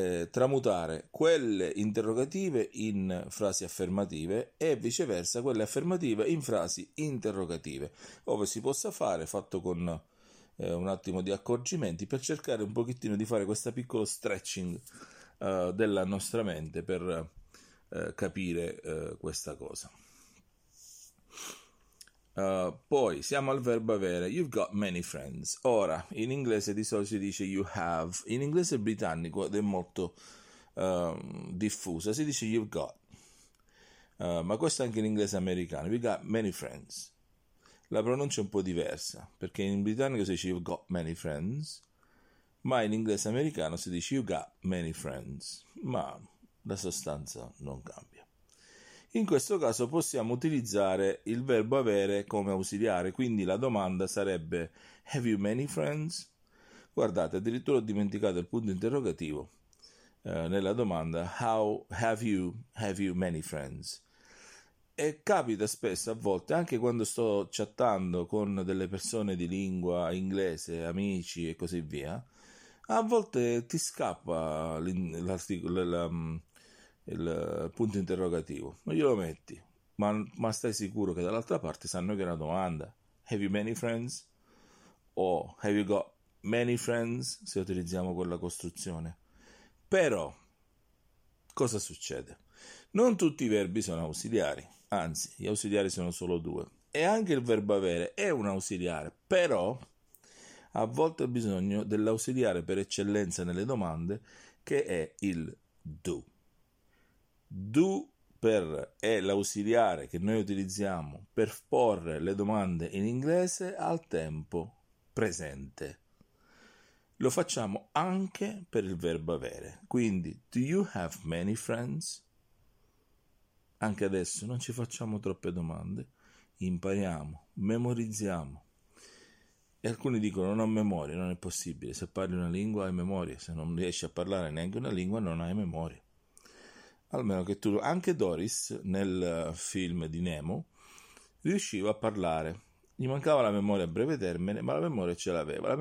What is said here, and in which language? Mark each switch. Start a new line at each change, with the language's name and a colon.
Italian: tramutare quelle interrogative in frasi affermative e viceversa quelle affermative in frasi interrogative, ove si possa fare, fatto con un attimo di accorgimenti, per cercare un pochettino di fare questo piccolo stretching della nostra mente per capire questa cosa. Poi siamo al verbo avere,
English: you've got many friends.
Italian: Ora, in inglese di solito si dice
English: you have,
Italian: in inglese britannico ed è molto diffusa, si dice
English: you've got,
Italian: ma questo anche in inglese americano,
English: we got many friends.
Italian: La pronuncia è un po' diversa, perché in britannico si dice
English: you've got many friends,
Italian: ma in inglese americano si dice
English: you got many friends,
Italian: ma la sostanza non cambia. In questo caso possiamo utilizzare il verbo avere come ausiliare, quindi la domanda sarebbe
English: Have you many friends?
Italian: Guardate, addirittura ho dimenticato il punto interrogativo nella domanda
English: How have you many friends?
Italian: E capita spesso, a volte, anche quando sto chattando con delle persone di lingua inglese, amici e così via, a volte ti scappa l'articolo. Il punto interrogativo, ma glielo metti, ma stai sicuro che dall'altra parte sanno che è una domanda?
English: Have you many friends? O have you got many friends?
Italian: Se utilizziamo quella costruzione, però, cosa succede? Non tutti i verbi sono ausiliari, anzi, gli ausiliari sono solo due, e anche il verbo avere è un ausiliare, però, a volte ho bisogno dell'ausiliare per eccellenza nelle domande, che è il do. Do è l'ausiliare che noi utilizziamo per porre le domande in inglese al tempo presente. Lo facciamo anche per il verbo avere.
English: Quindi, do you have many friends?
Italian: Anche adesso non ci facciamo troppe domande. Impariamo, memorizziamo. E alcuni dicono: non ho memoria, non è possibile. Se parli una lingua hai memoria, se non riesci a parlare neanche una lingua non hai memoria. Almeno che tu, anche Doris nel film di Nemo riusciva a parlare, gli mancava la memoria a breve termine, ma la memoria ce l'aveva.